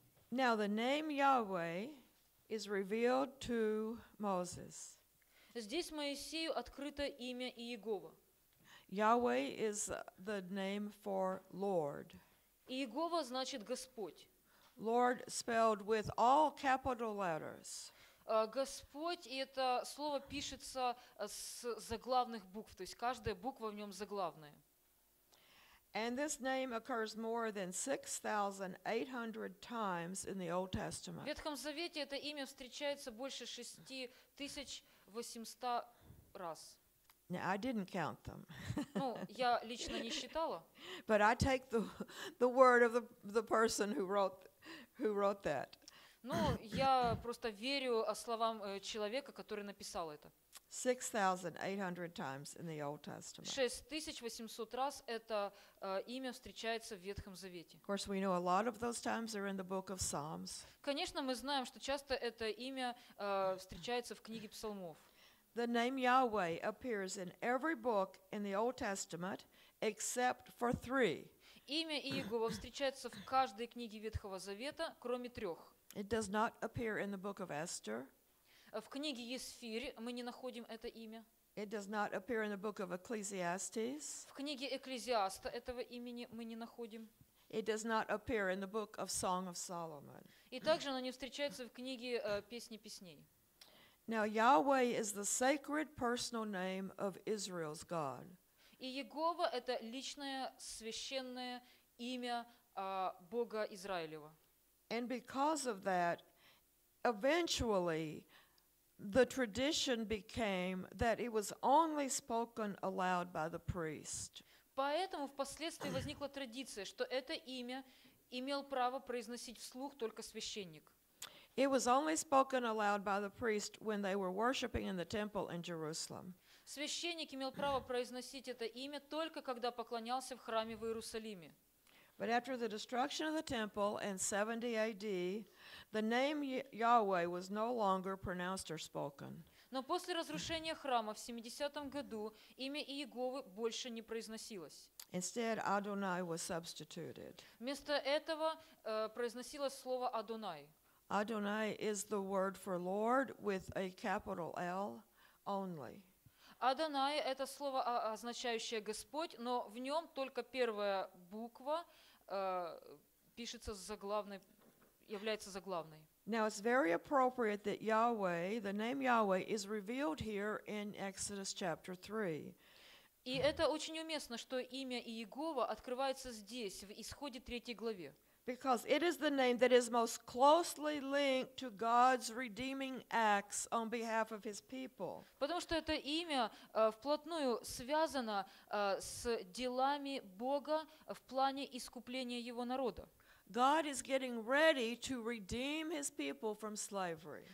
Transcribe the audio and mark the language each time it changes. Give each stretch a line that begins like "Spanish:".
English: Now the name Yahweh is revealed to Moses.
Russian: Здесь Моисею открыто имя Иегова.
English: Yahweh is the name for Lord.
Russian: Иегова значит Господь.
English: Lord spelled with all capital letters.
Russian: Господь, и это слово пишется с заглавных букв, то есть каждая буква в нем заглавная.
English: And this name occurs more than 6,800 times in the Old Testament.
Russian: В Ветхом Завете это имя встречается больше 6,800 раз.
English: Now, I didn't count them.
Russian: Ну, я лично не считала.
English: But I take the word of the person who wrote that.
Russian: Ну, я просто верю словам человека, который написал это.
English: 6,800 times in the Old Testament.
Russian: 6,800 раз это имя встречается в Ветхом Завете.
English: Of course, we know a lot of those times are in the book of Psalms.
Russian: Конечно, мы знаем, что часто это имя встречается в книге Псалмов.
English: The name Yahweh appears in every book in the Old Testament except for three.
Russian: Имя Иегова встречается в каждой книге Ветхого Завета, кроме трех.
English: It does not appear in the book of Esther.
Russian: В книге Есфирь мы не находим это имя.
English: It does not appear in the book of Ecclesiastes.
Russian: В книге Экклезиаста этого имени мы не находим.
English: It does not appear in the book of Song of Solomon.
Russian: И также оно не встречается в книге Песни Песней.
English: Now Yahweh is the sacred personal name of Israel's God.
Russian: И Иегова это личное священное имя Бога Израилева.
English: And because of that, eventually the tradition became that it was only spoken aloud by the priest.
Russian: Поэтому впоследствии возникла традиция, что это имя имел право произносить вслух только священник.
English: It was only spoken aloud by the priest when they were worshiping in the temple in Jerusalem.
Russian: Священник имел право произносить это имя только когда поклонялся в храме в Иерусалиме.
English: But after the destruction of the temple in 70 AD, the name Yahweh was no longer pronounced or spoken.
Russian: Но после разрушения храма в 70-м году имя Иеговы больше не произносилось.
English: Instead, Adonai was substituted.
Russian: Вместо этого произносилось слово Адонай.
English: Adonai is the word for Lord with a capital L only.
Russian: Адонай – это слово, означающее Господь, но в нем только первая буква пишется заглавной, является заглавной.
English: Now it's very appropriate that Yahweh, the name Yahweh, is revealed here in Exodus chapter 3.
Russian: И это очень уместно, что имя Иегова открывается здесь, в Исходе 3 главе.
English: Because it is the name that is most closely linked to God's redeeming acts on behalf of His people.
Russian: Потому что это имя вплотную связано с делами Бога в плане искупления Его народа.
English: God is getting ready to redeem His people from slavery.